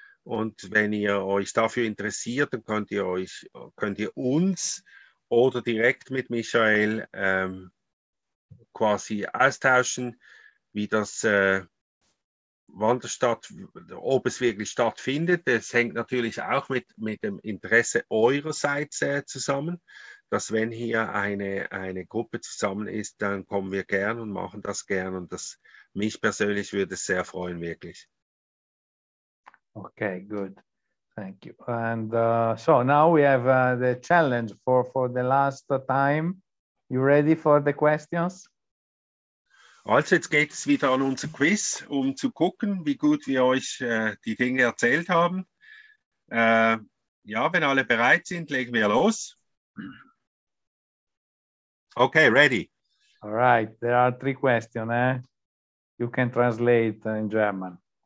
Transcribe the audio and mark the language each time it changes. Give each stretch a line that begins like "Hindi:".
German: Und wenn ihr euch dafür interessiert, dann könnt ihr uns oder direkt mit Michael quasi austauschen, wie das ob es wirklich stattfindet. Das hängt natürlich auch mit dem Interesse eurerseits zusammen, dass wenn hier eine Gruppe zusammen ist, dann kommen wir gern und machen das gern. Und das mich persönlich würde es sehr freuen, wirklich.
English: Okay, good. Thank you. And so now we have the challenge for the last time. You ready for the questions?
German: Also jetzt geht es wieder an unser Quiz, um zu gucken, wie gut wir euch die Dinge erzählt haben. Wenn alle bereit sind, legen wir los.
English: Okay, ready. All right, there are three questions. You can translate in German.